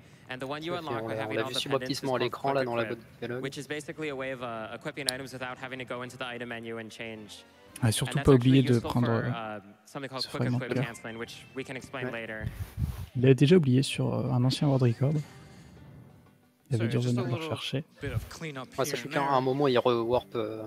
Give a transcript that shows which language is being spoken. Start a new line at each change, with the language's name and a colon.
French: On l'a vu subrepticement à l'écran là dans la boîte de dialogue.
English: Which is basically a way of equipping items without having to go into the item menu and change.
French: Ah, surtout pas oublier de prendre ce fragment de cœur. Il l'a déjà oublié sur un ancien World Record. Il avait dû revenir le chercher. Ouais, ça fait qu'à un moment, il rewarp.